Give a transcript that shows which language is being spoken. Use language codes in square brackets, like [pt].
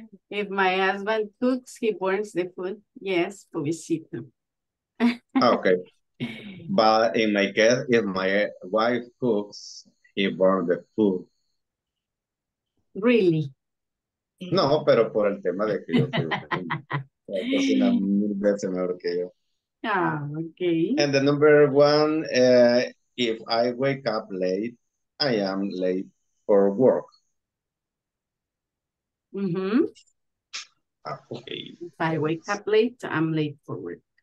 [en] If my husband cooks, he burns the food. Yes, [es] pobrecito. [en] Okay. But in my case, if my wife cooks, he burns the food. Really? [es] No, pero por el tema de que yo cocina mil veces mejor que yo. [en] Ah, okay. And the number one, if I wake up late, I am late for work. Mm-hmm. Okay. If I wake up late, I'm late for work.